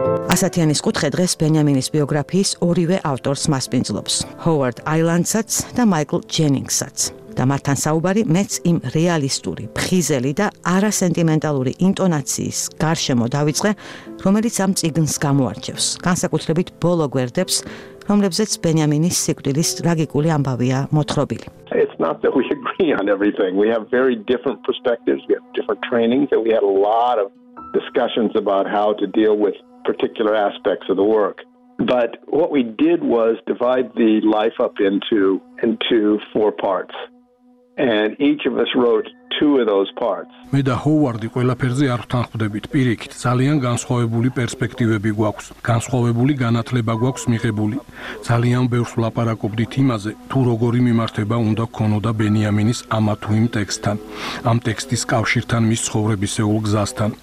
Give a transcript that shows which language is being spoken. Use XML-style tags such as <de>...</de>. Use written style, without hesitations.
<ka>ასათიანის კუთხე დღეს ბენიამინის ბიოგრაფიის ორივე ავტორს მასპინძლობს, ჰოვარდ აილანდსაც და მაიკლ ჯენინგსაც. და მათთან საუბარი მეც იმ რეალისტური, ფხიზელი და არასენტიმენტალური ინტონაციის გარშემო დავიწყე, რომელიც ამ წიგნს გამოარჩევს, განსაკუთრებით ბოლო გვერდებს, რომლებზეც ბენიამინის სიკვდილის ტრაგიკული ამბავია მოთხრობილი.</ka> <en>It's not that we agree on everything. We have very different perspectives, we have different trainings, and we had a lot of discussions about how to deal with particular aspects of the work. But what we did was divide the life up into four parts. And each of us wrote two of those parts.</en> <ka>მე და ჰოვარდი ყველაფერზე არ ვთანხმდებით პირიქით. ძალიან განსხვავებული პერსპექტივები გვაქვს, განსხვავებული განათლება გვაქვს მიღებული. ძალიან ბევრს ვლაპარაკობდით იმაზე, თუ როგორი მიმართება უნდა ქონოდა ბენიამინის ამ თუ იმ ტექსტთან, ამ ტექსტის კავშირთან მის ცხოვრებისეულ გზასთან.</ka>